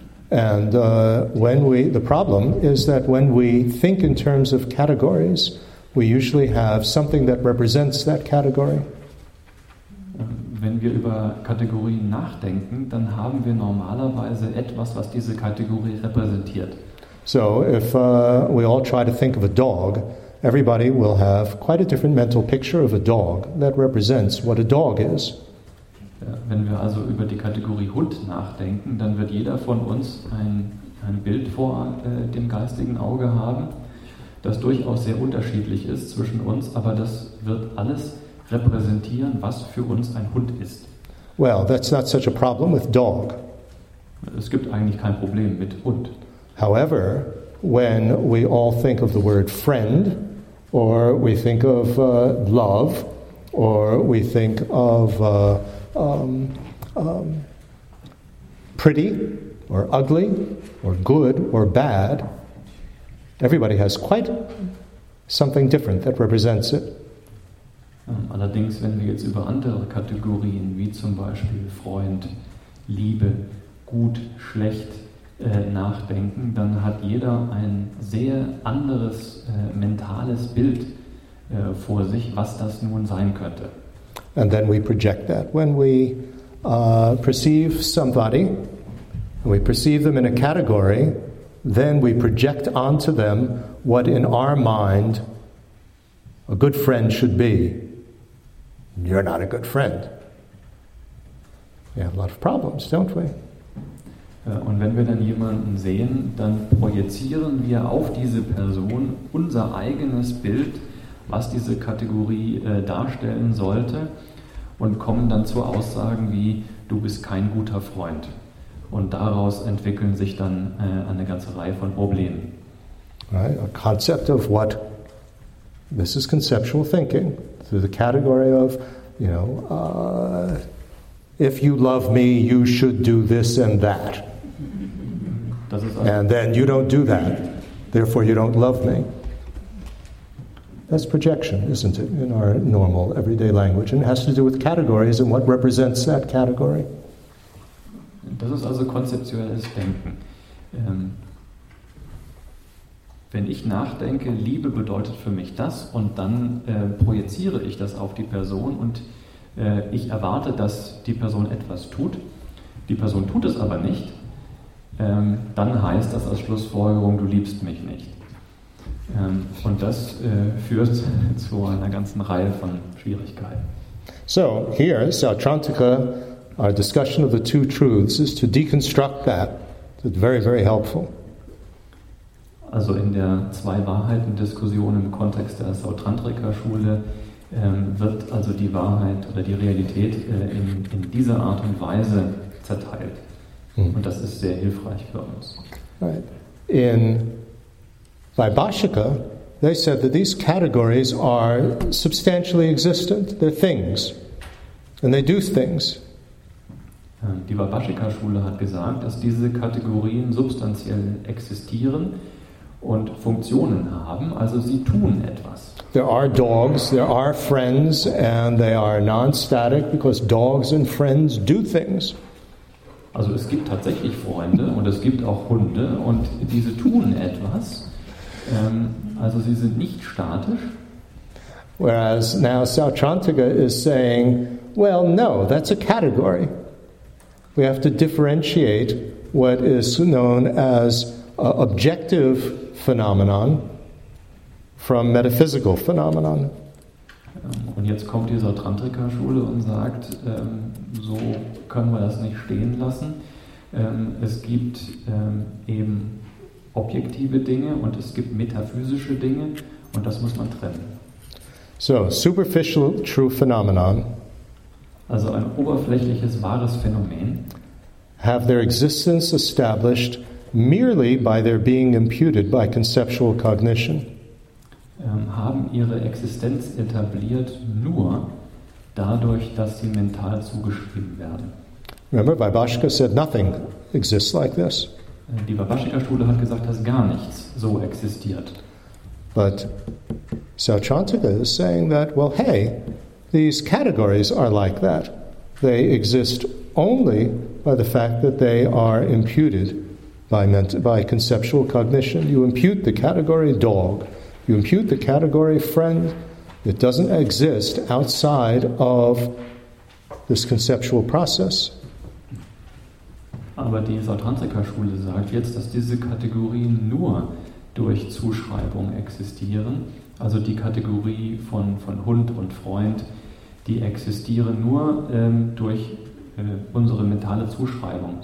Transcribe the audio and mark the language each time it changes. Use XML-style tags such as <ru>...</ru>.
<en>And the problem is that when we think in terms of categories, we usually have something that represents that category.</en> <de>Wenn wir über Kategorien nachdenken, dann haben wir normalerweise etwas, was diese Kategorie repräsentiert.</de> <en>So, if we all try to think of a dog, everybody will have quite a different mental picture of a dog that represents what a dog is.</en> <de>Wenn wir also über die Kategorie Hund nachdenken, dann wird jeder von uns ein Bild vor dem geistigen Auge haben, das durchaus sehr unterschiedlich ist zwischen uns, aber das wird alles repräsentieren, was für uns ein Hund ist.</de> <en>Well, that's not such a problem with dog.</en> <de>Es gibt eigentlich kein Problem mit Hund.</de> <en>However, when we all think of the word friend, or we think of love, or we think of pretty, or ugly, or good, or bad, everybody has quite something different that represents it.</en> <de>Allerdings, wenn wir jetzt über andere Kategorien wie zum Beispiel Freund, Liebe, gut, schlecht nachdenken, dann hat jeder ein sehr anderes mentales Bild vor sich, was das nun sein könnte.</de> <en>And then we project that. When we perceive somebody, and we perceive them in a category, then we project onto them what in our mind a good friend should be. You're not a good friend. We have a lot of problems, don't we?</en> <de>Und wenn wir dann jemanden sehen, dann projizieren wir auf diese Person unser eigenes Bild, was diese Kategorie darstellen sollte, und kommen dann zu Aussagen wie, du bist kein guter Freund. Und daraus entwickeln sich dann eine ganze Reihe von Problemen.</de> <en>Right, a concept of what? This is conceptual thinking. So the category of, you know, if you love me, you should do this and that. And then you don't do that, therefore you don't love me. That's projection, isn't it, in our normal everyday language? And it has to do with categories and what represents that category.</en> <de>Das ist also konzeptionelles Denken. Wenn ich nachdenke, Liebe bedeutet für mich das, und dann projiziere ich das auf die Person und ich erwarte, dass die Person etwas tut. Die Person tut es aber nicht. Dann heißt das als Schlussfolgerung, du liebst mich nicht. Und das führt zu einer ganzen Reihe von Schwierigkeiten.</de> <en>So, here, Sautrantika, our discussion of the two truths is to deconstruct that. It's very, very helpful.</en> <de>Also in der Zwei-Wahrheiten-Diskussion im Kontext der Sautrantika-Schule wird also die Wahrheit oder die Realität in dieser Art und Weise zerteilt. Und das ist sehr hilfreich für uns.</de> <en>Right. In Vaibhashika, they said that these categories are substantially existent. They're things. And they do things.</en> <de>Die Vaibhashika-Schule hat gesagt, dass diese Kategorien substanziell existieren und Funktionen haben. Also sie tun etwas.</de> <en>There are dogs, there are friends, and they are non-static because dogs and friends do things.</en> <de>Also es gibt tatsächlich Freunde und es gibt auch Hunde und diese tun etwas. Also sie sind nicht statisch.</de> <en>Whereas now Sautrantika is saying, well, no, that's a category. We have to differentiate what is known as objective phenomenon from metaphysical phenomenon.</en> <de>Und jetzt kommt die Sautrantika-Schule und sagt, so können wir das nicht stehen lassen. Es gibt eben objektive Dinge und es gibt metaphysische Dinge und das muss man trennen.</de> <en>So, superficial true phenomenon.</en> <de>Also ein oberflächliches wahres Phänomen.</de> <en>Have their existence established merely by their being imputed by conceptual cognition.</en> <de>Haben ihre Existenz etabliert nur dadurch, dass sie mental zugeschrieben werden.</de> <en>Remember, Vaibhashika said nothing exists like this.</en> <de>Die Vaibhashika-Schule hat gesagt, dass gar nichts so existiert.</de> <en>But Sautrantika is saying that, well, hey, these categories are like that. They exist only by the fact that they are imputed by conceptual cognition. You impute the category dog. You impute the category friend. It doesn't exist outside of this conceptual process.</en> <de>Aber die Sautrantika-Schule sagt jetzt, dass diese Kategorien nur durch Zuschreibung existieren. Also die Kategorie von Hund und Freund, die existieren nur durch unsere mentale Zuschreibung.</de>